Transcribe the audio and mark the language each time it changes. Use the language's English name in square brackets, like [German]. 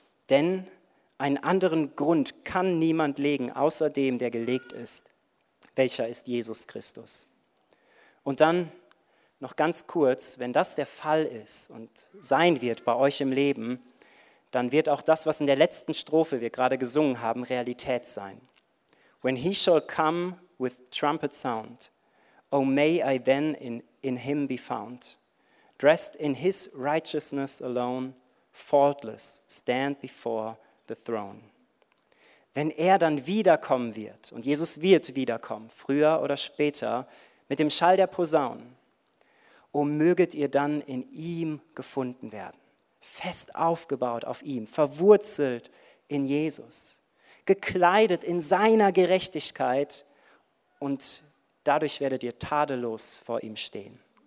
[German] Denn einen anderen Grund kann niemand legen, außer dem, der gelegt ist, welcher ist Jesus Christus. Und dann noch ganz kurz, wenn das der Fall ist und sein wird bei euch im Leben, dann wird auch das, was in der letzten Strophe wir gerade gesungen haben, Realität sein. [English] When he shall come with trumpet sound, oh may I then in him be found, dressed in his righteousness alone, faultless stand before the throne. [German] Wenn er dann wiederkommen wird, und Jesus wird wiederkommen, früher oder später, mit dem Schall der Posaunen, oh möget ihr dann in ihm gefunden werden. Fest aufgebaut auf ihm, verwurzelt in Jesus, gekleidet in seiner Gerechtigkeit und dadurch werdet ihr tadellos vor ihm stehen.